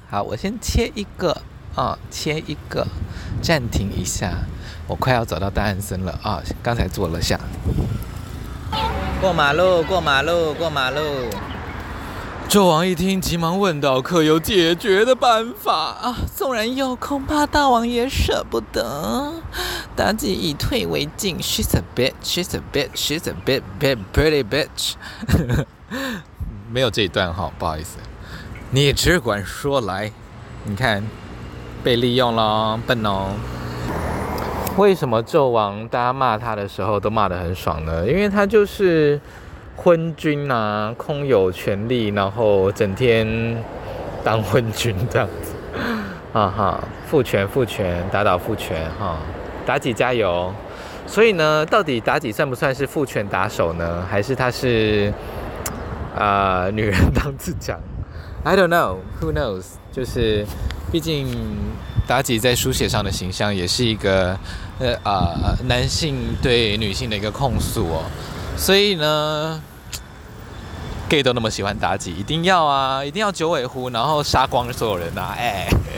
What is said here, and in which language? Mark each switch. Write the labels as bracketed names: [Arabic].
[Chinese] 好，我先切一个啊、切一个，暂停一下，我快要找到大安森了啊、刚才坐了下。过马路，过马路，过马路。纣王一听，急忙问道：“可有解决的办法啊？” 纵然有，恐怕大王也舍不得。妲己以退为进 [English] ，She's a bitch, she's a bitch, she's a bit bit pretty bitch 。 [Chinese] 没有这一段哈，不好意思。你只管说来，你看，被利用了，笨哦。为什么纣王大家骂他的时候都骂得很爽呢？因为他就是昏君啊，空有权力，然后整天当昏君这样子。啊哈，父权父权，打倒父权哈，妲己加油。所以呢，到底妲己算不算是父权打手呢？还是他是女人当自强 ？ [English] I don't know, who knows？ [Chinese] 就是毕竟。妲己在书写上的形象也是一个男性对女性的一个控诉哦，所以呢 gay 都那么喜欢妲己，一定要啊，一定要九尾狐，然后杀光所有人啊，哎，